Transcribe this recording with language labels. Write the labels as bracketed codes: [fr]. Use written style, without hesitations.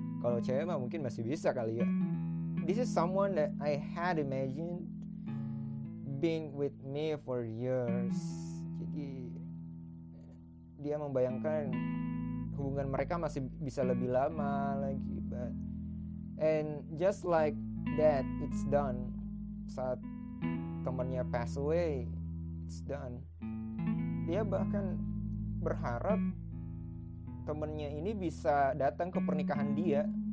[id] Kalau cewek mah mungkin masih bisa kali ya. [en] This is someone that I had imagined being with me for years. [id] Jadi dia membayangkan hubungan mereka masih bisa lebih lama lagi. [en] But and just like that, it's done. [id] Saat temannya [en] pass away, it's done. [id] Dia bahkan berharap temennya ini bisa datang ke pernikahan dia.